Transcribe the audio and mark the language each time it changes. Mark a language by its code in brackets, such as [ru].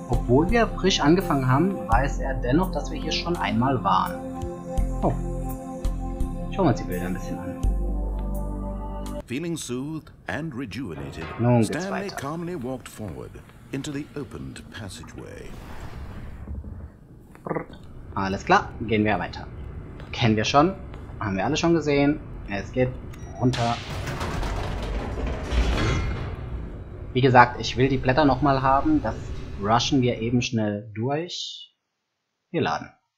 [de] Obwohl wir frisch angefangen haben, weiß er dennoch, dass wir hier schon einmal waren. Oh. Schauen wir uns die Bilder ein bisschen an. [en] Feeling soothed and rejuvenated, Stanley calmly walked forward into the opened passageway. [de] Alles klar, gehen wir weiter. Kennen wir schon, haben wir alle schon gesehen. Es geht runter. Wie gesagt, ich will die Blätter nochmal haben, das rushen wir eben schnell durch. Wir laden.